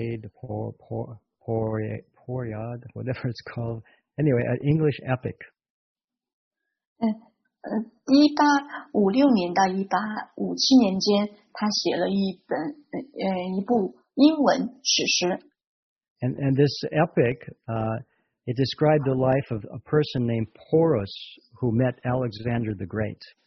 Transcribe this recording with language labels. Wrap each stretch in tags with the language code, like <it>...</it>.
<en>Poriad, whatever it's called. Anyway, an English epic.</en> <zh>1856年到1857年间，他写了一部英文史诗。</zh> <en>And this epic, it described the life of a person named Porus who met Alexander the Great.</en>